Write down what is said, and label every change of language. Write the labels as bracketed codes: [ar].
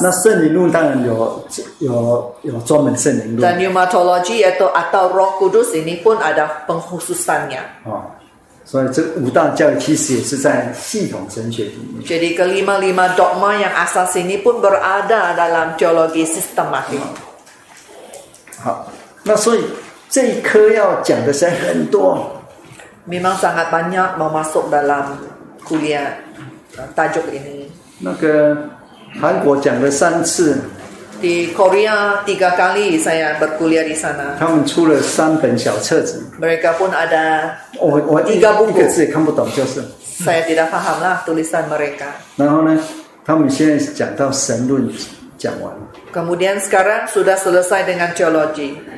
[zh] 那圣灵论当然有专门圣灵论。 [ms] Dan pneumatology yaitu atau Roh Kudus ini pun ada pengkhususannya。 [zh] 所以这五大教育其实也是在系统神学里面。 [ms] Jadi kelima-lima dogma yang asas ini pun berada dalam teologi sistematik。 [zh] 好，那所以这一科要讲的是很多。 [ms] Memang sangat banyak mau masuk dalam kuliah tajuk ini。 [zh] 那个韩国讲了三次。 [ms] Di Korea tiga kali saya berkuliah di sana. [zh] 他们出了三本小册子。 [ms] Mereka pun ada tiga buku. [zh] 一个字也看不懂，就是。 [ms] Saya tidak faham lah tulisan mereka. [zh] 然后呢，他们现在讲到神论讲完。 [ms] Kemudian sekarang sudah selesai dengan teologi.